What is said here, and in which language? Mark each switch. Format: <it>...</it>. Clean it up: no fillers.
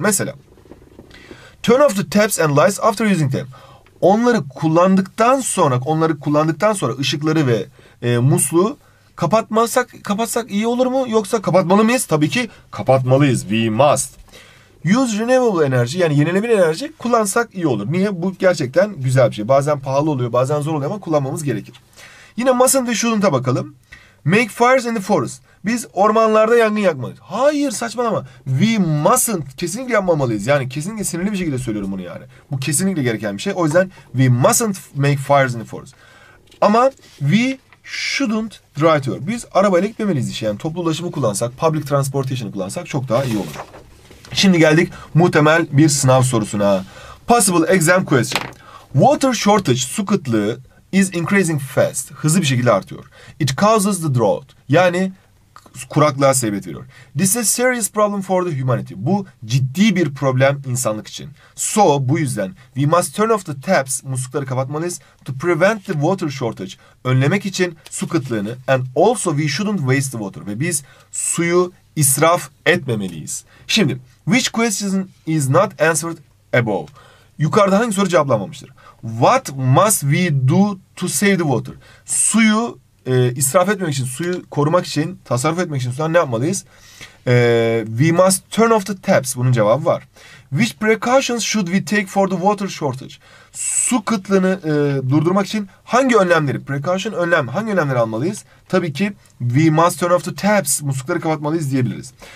<tr>Mesela</tr> <en>turn off the taps and lights after using them.</en> <tr>Onları kullandıktan sonra ışıkları ve musluğu kapatsak iyi olur mu? Yoksa kapatmalı mıyız? Tabii ki kapatmalıyız.</tr> <en>We must. Use renewable energy,</en> <tr>yani yenilenebilir enerji kullansak iyi olur. Niye? Bu gerçekten güzel bir şey. Bazen pahalı oluyor, bazen zor oluyor ama kullanmamız gerekir. Yine</tr> <en>mustn't ve shouldn't'a</en> <tr>bakalım.</tr> <en>Make fires in the forest.</en> <tr>Biz ormanlarda yangın yakmalıyız. Hayır, saçmalama.</tr> <en>We mustn't.</en> <tr>Kesinlikle yapmamalıyız. Yani kesinlikle sinirli bir şekilde söylüyorum bunu yani. Bu kesinlikle gereken bir şey. O yüzden</tr> <en>we mustn't make fires in the forest.</en> <tr>Ama</tr> <en>we shouldn't drive to.</en> <tr>Biz arabayla gitmemeliyiz işte. Yani toplu ulaşımı kullansak, public transportation'ı kullansak çok daha iyi olur. Şimdi geldik muhtemel bir sınav sorusuna.</tr> <en>Possible exam question. Water shortage,</en> <tr>su kıtlığı</tr> <en>is increasing fast.</en> <tr>Hızlı bir şekilde artıyor.</tr> <en>It causes the drought.</en> <tr>Yani kuraklığa sebebiyet veriyor.</tr> <en>This is a serious problem for the humanity.</en> <tr>Bu ciddi bir problem insanlık için.</tr> <en>So</en> <tr>bu yüzden</tr> <en>we must turn off the taps,</en> <tr>muslukları kapatmalıyız,</tr> <en>to prevent the water shortage,</en> <tr>önlemek için su kıtlığını,</tr> <en>and also we shouldn't waste the water.</en> <tr>Ve biz suyu israf etmemeliyiz. Şimdi</tr> <en>which question is not answered above?</en> <tr>Yukarıda hangi soru cevaplanmamıştır?</tr> <en>What must we do to save the water?</en> <tr>Suyu israf etmemek için, suyu korumak için, tasarruf etmek için ne yapmalıyız?</tr> <en>We must turn off the taps.</en> <tr>Bunun cevabı var.</tr> <en>Which precautions should we take for the water shortage?</en> <tr>Su kıtlığını durdurmak için hangi önlemleri?</tr> <en>Precaution,</en> <tr>önlem. Hangi önlemleri almalıyız?</tr> <en>Tabii ki we must turn off the taps.</en> <tr>Muslukları kapatmalıyız diyebiliriz.</tr>